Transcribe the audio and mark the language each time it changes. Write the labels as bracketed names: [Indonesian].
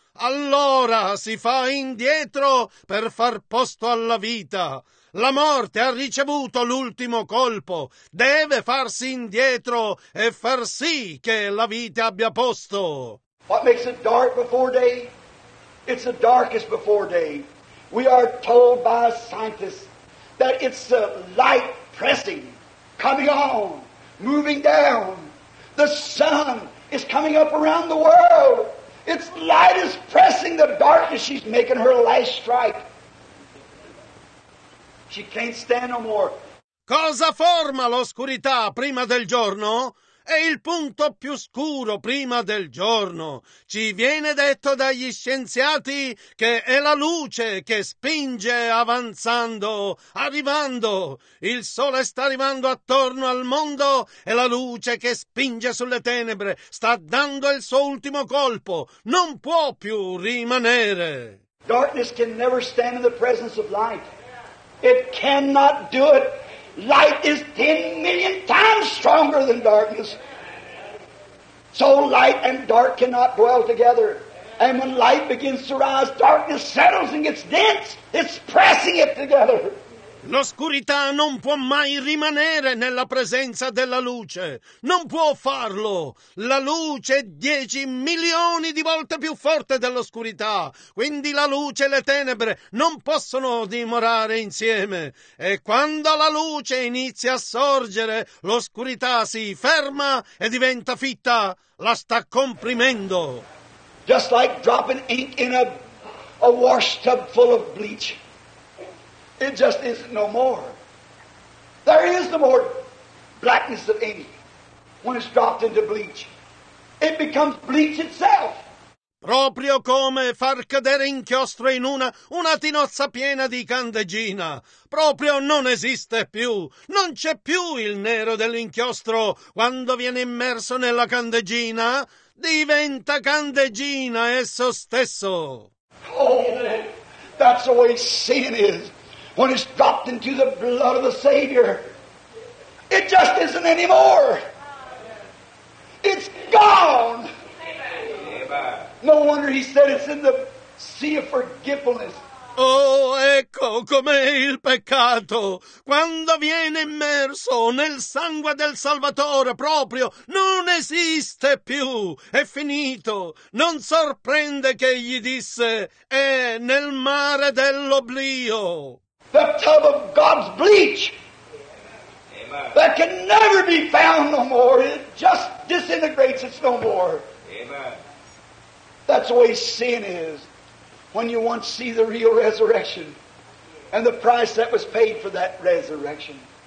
[Italian] Allora si fa indietro per far posto alla vita. La morte ha ricevuto l'ultimo colpo. Deve farsi indietro e far sì che la vita abbia posto. [English] What makes it dark before day? It's the darkest before day. We are told by scientists that it's the light pressing, coming on, moving down. The sun is coming up around the world. Its light is pressing the darkness. She's making her last strike. She can't stand no more. [Italian] Cosa forma l'oscurità prima del giorno? È il punto più scuro prima del giorno. Ci viene detto dagli scienziati che è la luce che spinge avanzando, arrivando. Il sole sta arrivando attorno al mondo, è la luce che spinge sulle tenebre, sta dando il suo ultimo colpo, non può più rimanere. [English] Darkness can never stand in the presence of light. It cannot do it. Light is 10 million times stronger than darkness. So light and dark cannot dwell together. And when light begins to rise, darkness settles and gets dense. It's pressing it together. [Italian] L'oscurità non può mai rimanere nella presenza della luce. Non può farlo. La luce è 10 milioni di volte più forte dell'oscurità. Quindi la luce e le tenebre non possono dimorare insieme. E quando la luce inizia a sorgere, l'oscurità si ferma e diventa fitta. La sta comprimendo. [English] Just like dropping ink in a wash tub full of bleach. It just isn't no more. There is no more blackness of ink when it's dropped into bleach. It becomes bleach itself. [Italian] Proprio come far cadere inchiostro in una tinozza piena di candeggina. Proprio non esiste più. Non c'è più il nero dell'inchiostro quando viene immerso nella candeggina. Diventa candeggina esso stesso. [English] Oh, that's the way sin is. When it's dropped into the blood of the Savior, it just isn't anymore. It's gone. Amen. No wonder he said it's in the sea of forgetfulness. [Italian] Oh, ecco com'è il peccato. Quando viene immerso nel sangue del Salvatore proprio, non esiste più, è finito. Non sorprende che egli disse, è nel mare dell'oblio. [English] The tub of God's bleach. Amen. That can never be found no more. It just disintegrates, it's no more. Amen. That's the way sin is. When you once see the real resurrection and the price that was paid for that resurrection.